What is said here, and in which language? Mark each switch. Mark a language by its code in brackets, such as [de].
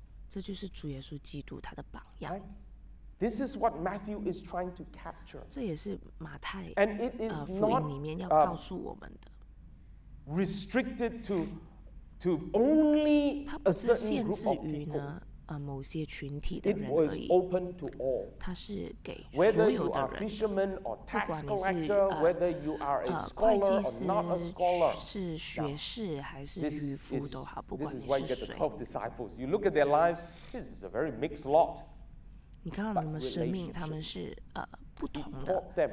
[zh] 这就是主耶稣基督他的榜样。 [en] This is what Matthew is trying to capture. [zh] 这也是马太福音里面要告诉我们的。 [en] Restricted to only a certain group of people. [zh] 某些群体的人而已。 [en] It was open to all. [zh] 它是给所有的人。 [en] Whether you are a fisherman or tax collector, whether you are a scholar or not a scholar, [zh] 是学士还是渔夫都好，不管你是谁。 [en] This is why you get the 12 disciples. You look at their lives. This is a very mixed lot. [zh] 你看到他们生命，他们是不同的。